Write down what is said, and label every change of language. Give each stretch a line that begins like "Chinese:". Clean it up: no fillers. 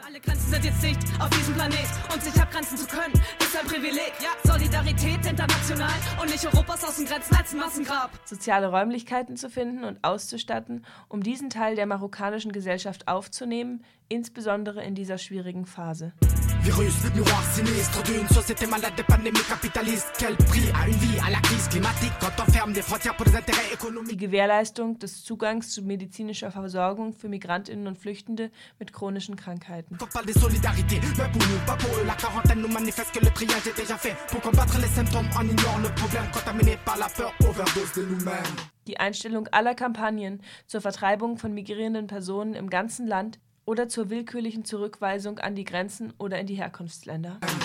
German: Alle Grenzen sind jetzt dicht auf diesem Planet. Und sich abgrenzen zu können, ist ein Privileg. Ja, Solidarität international und nicht Europas Außengrenzen als ein Massengrab. Soziale Räumlichkeiten zu finden und auszustatten, um diesen Teil der marokkanischen Gesellschaft aufzunehmen, insbesondere in dieser schwierigen Phase.
French: Virus, miroir sinistre d'une société malade de pandémie capitaliste. Quel prix à une vie à la crise climatique quand on ferme les frontières pour les intérêts économiques.
German: Die Gewährleistung des Zugangs zu medizinischer Versorgung für Migrantinnen und Flüchtende mit chronischen Krankheiten.
French: Quand on parle de solidarité, mais pour nous, pas pour eux, la quarantaine nous manifeste que le triage est déjà fait. Pour combattre les symptômes, on ignore nos problèmes contaminés par la peur, overdose de nous-mêmes.
German: Die Einstellung aller Kampagnen zur Vertreibung von migrierenden Personen im ganzen Land oder zur willkürlichen Zurückweisung an die Grenzen oder in die Herkunftsländer.